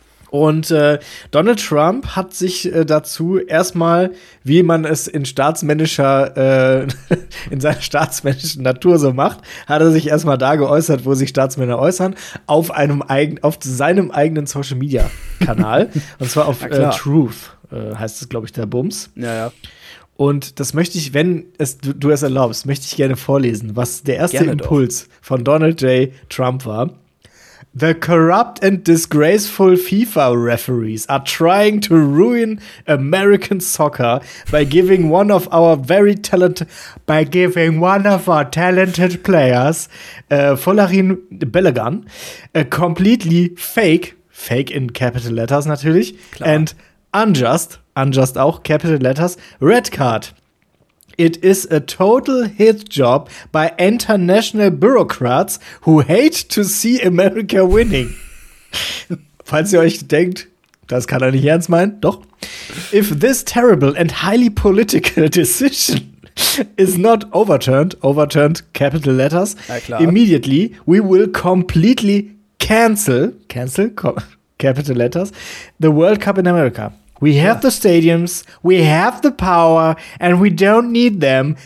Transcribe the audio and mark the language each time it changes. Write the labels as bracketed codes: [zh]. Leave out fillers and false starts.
[de] Und Donald Trump hat sich dazu erstmal, wie man es in in seiner staatsmännischen Natur so macht, hat er sich erstmal da geäußert, wo sich Staatsmänner äußern, auf seinem eigenen Social Media Kanal. Und zwar auf Truth, heißt es, glaube ich, der Bums. Ja. Und das möchte ich, wenn es du es erlaubst, möchte ich gerne vorlesen, was der erste Impuls von Donald J. Trump war. [en] The corrupt and disgraceful FIFA referees are trying to ruin American soccer by giving one of our talented players, Folarin Balogun, a completely fake in capital letters [de] natürlich, klar, [en] and unjust [de] auch, [en] capital letters, red card. It is a total hit job by international bureaucrats who hate to see America winning. [de] Falls ihr euch denkt, das kann er nicht ernst meinen, doch. [en] If this terrible and highly political decision is not overturned capital letters, immediately we will completely cancel capital letters, the World Cup in America. We have the stadiums, we have the power, and we don't need them.